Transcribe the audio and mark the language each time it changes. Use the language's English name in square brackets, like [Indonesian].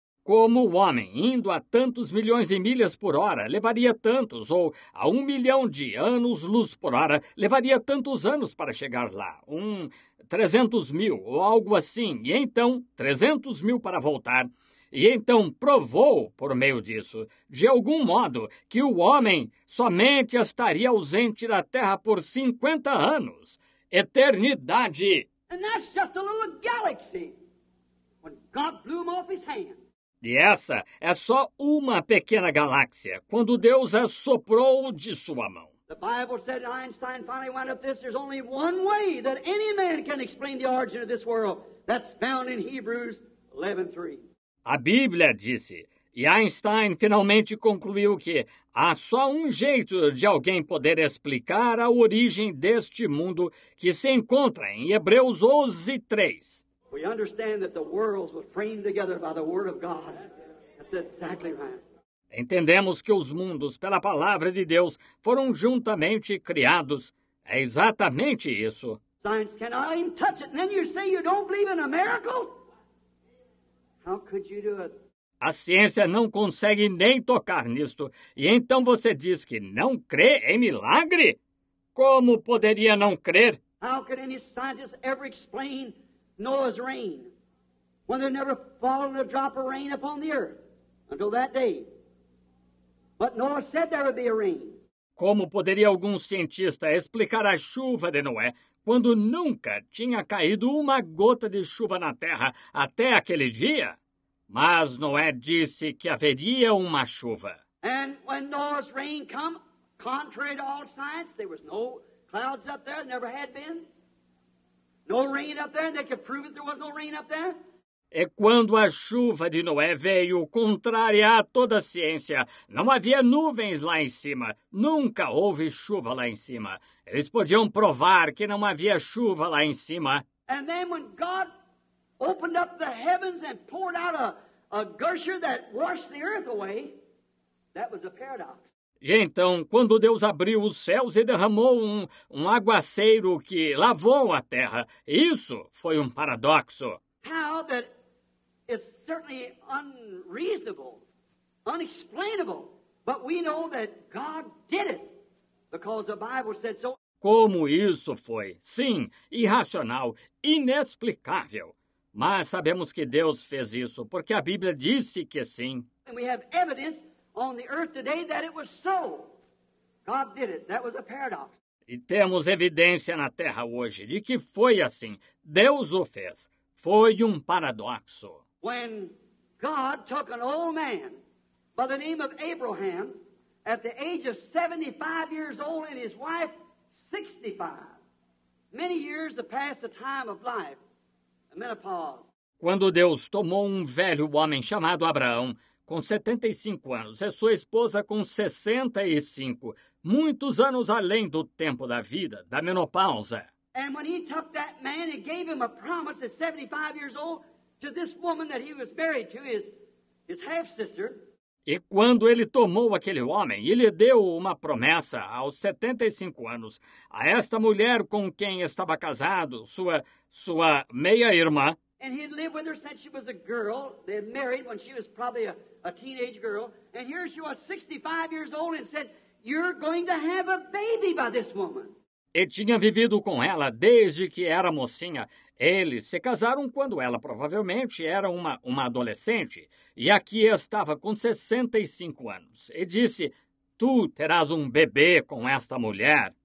[Portuguese] Como o homem, indo a tantos milhões de milhas por hora, levaria tantos, ou a 1 milhão de anos-luz por hora, levaria tantos anos para chegar lá, 300 mil, ou algo assim, e então, 300 mil para voltar. E então provou, por meio disso, de algum modo, que o homem somente estaria ausente da Terra por 50 anos. Eternidade! [English] And that's just a little galaxy, when God blew him off his hand. [Portuguese] E essa é só uma pequena galáxia, quando Deus a soprou de sua mão. [English] The Bible said Einstein finally wound up this. There's only one way that any man can explain the origin of this world. That's found in Hebrews 11:3. [Portuguese] A Bíblia disse, e Einstein finalmente concluiu que há só um jeito de alguém poder explicar a origem deste mundo que se encontra em Hebreus 11:3. [English] We understand that the worlds were framed together by the word of God. That's exactly right. [Portuguese] Entendemos que os mundos, pela palavra de Deus, foram juntamente criados. É exatamente isso. [English] Science cannot even touch it. And then you say you don't believe in a miracle? How could you do it? [Portuguese] A ciência não consegue nem tocar nisto. E então você diz que não crê em milagre? Como poderia não crer? [English] How could any scientist ever explain Noah's rain, when there never fallen a drop of rain upon the earth until that day? But Noah said there would be a rain. [Portuguese] Como poderia algum cientista explicar a chuva de Noé quando nunca tinha caído uma gota de chuva na terra até aquele dia? Mas Noé disse que haveria uma chuva. [English] And when Noah's rain come, contrary to all science, there was no clouds up there, never had been. No rain up there, and they could prove that there was no rain up there. [Portuguese] E quando a chuva de Noé veio, contrária a toda a ciência, não havia nuvens lá em cima. Nunca houve chuva lá em cima. Eles podiam provar que não havia chuva lá em cima. [English] And then when God opened up the heavens and poured out a gusher that washed the earth away, that was a paradox. [Portuguese] E então, quando Deus abriu os céus e derramou um aguaceiro que lavou a terra, isso foi um paradoxo. [English] How that is certainly unreasonable, unexplainable, but we know that God did it because the Bible said so. [Portuguese] Como isso foi, sim, irracional, inexplicável. Mas sabemos que Deus fez isso, porque a Bíblia disse que sim. [English] And we have evidence on the earth today that it was so. God did it. That was a paradox. [Portuguese] E temos evidência na Terra hoje de que foi assim. Deus o fez. Foi um paradoxo. [English] When God took an old man by the name of Abraham at the age of 75 years old and his wife 65, many years past the time of life, a menopause. [Portuguese] Quando Deus tomou um velho homem chamado Abraão, com 75 anos, e sua esposa com 65, muitos anos além do tempo da vida, da menopausa. [English] And when he took that man and gave him a promise at 75 years old to this woman that he was married to, his half-sister. [Portuguese] E quando ele tomou aquele homem e lhe deu uma promessa aos 75 anos a esta mulher com quem estava casado, sua meia-irmã. [English] And he'd lived with her since she was a girl. They'd married when she was probably a teenage girl. And here she was 65 years old and said, "You're going to have a baby by this woman." [Portuguese] E tinha vivido com ela desde que era mocinha. Eles se casaram quando ela provavelmente era uma adolescente. E aqui estava com 65 anos. E disse, "Tu terás um bebê com esta mulher."